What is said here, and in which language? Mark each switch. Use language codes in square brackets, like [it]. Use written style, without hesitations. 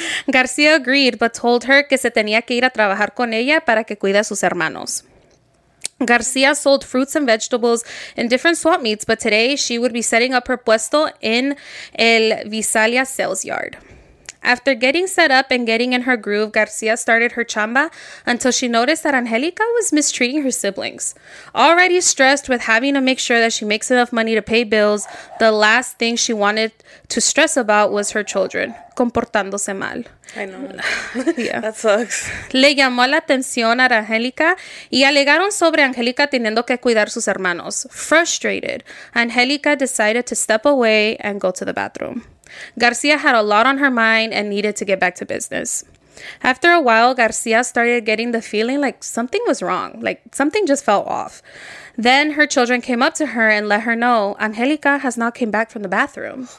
[en] Garcia agreed, but told her [es] que se tenía que ir a trabajar con ella para que cuide a sus hermanos. [en] Garcia sold fruits and vegetables in different swap meets, but today she would be setting up her puesto in El Visalia sales yard. After getting set up and getting in her groove, Garcia started her chamba until she noticed that Angelica was mistreating her siblings. Already stressed with having to make sure that she makes enough money to pay bills, the last thing she wanted to stress about was her children. [es] Comportándose mal. [en] I know. Yeah. That sucks. [es] Le llamó la atención a Angelica y alegaron sobre Angelica teniendo que cuidar sus hermanos. [en] Frustrated, Angelica decided to step away and go to the bathroom. Garcia had a lot on her mind and needed to get back to business. After a while, Garcia started getting the feeling like something was wrong, like something just felt off. Then her children came up to her and let her know Angelica has not came back from the bathroom.